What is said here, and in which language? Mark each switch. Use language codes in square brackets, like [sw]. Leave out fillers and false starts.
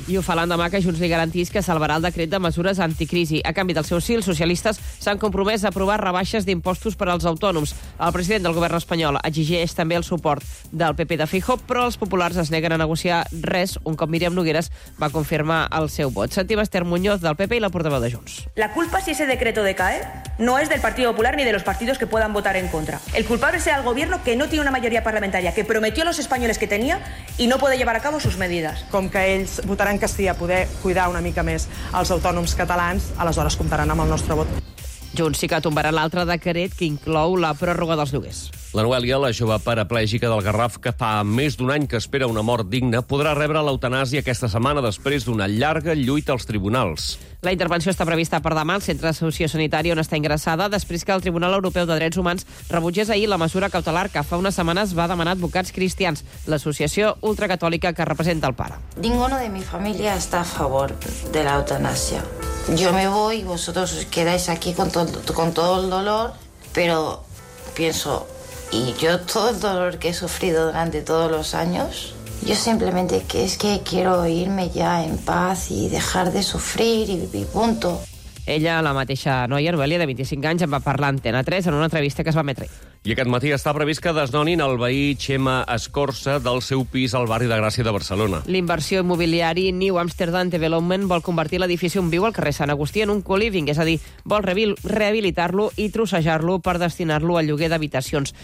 [ca] I ho fa l'endemà que Junts li garantís que salvarà el decret de mesures anticrisi. A canvi del seu sí, els socialistes s'han compromès a aprovar rebaixes d'impostos per als autònoms. El president del govern espanyol exigeix també el suport del PP de Feijóo, però els populars es neguen a negociar res un cop Míriam Nogueras va confirmar el seu vot. Sentim Esther Muñoz del PP i la portaveu de Junts. [es] La culpa si ese decreto decae no es del Partido Popular ni de los partidos que puedan votar en contra. El culpable será el gobierno que no tiene una mayoría parlamentaria, que prometió a los españoles que tenía y no puede llevar a cabo sus medidas. [ca] Com que ells votaran que sí a poder cuidar una mica més els autònoms catalans, aleshores comptaran amb el nostre vot. Junts sí que tombarà l'altre decret que inclou la pròrroga dels lloguers. La Noelia, la jove paraplègica del Garraf, que fa més d'un any que espera una mort digna, podrà rebre l'eutanàsia aquesta setmana després d'una llarga lluita als tribunals. La intervenció està prevista per demà al centre sociosanitari on està ingressada després que el Tribunal Europeu de Drets Humans rebutgés ahir la mesura cautelar que fa unes setmanes va demanar advocats cristians, l'associació ultracatòlica que representa el pare. [es] Ninguno de mi familia está a favor de la eutanasia. Yo me voy y vosotros os quedáis aquí con todo el dolor, pero pienso, y yo todo el dolor que he sufrido durante todos los años, yo simplemente que es que quiero irme ya en paz y dejar de sufrir y punto. [ca] Ella, la mateixa noia, Noelia, de 25 anys, en va parlar a Antena 3 en una entrevista que es va emetre. I aquest matí està previst que desnonin el veí Txema Escorça del seu pis al barri de Gràcia de Barcelona. L'inversió immobiliari New Amsterdam Development vol convertir l'edifici on viu al carrer Sant Agustí en un co-living, és a dir, vol rehabilitar-lo i trossejar-lo per destinar-lo al lloguer d'habitacions.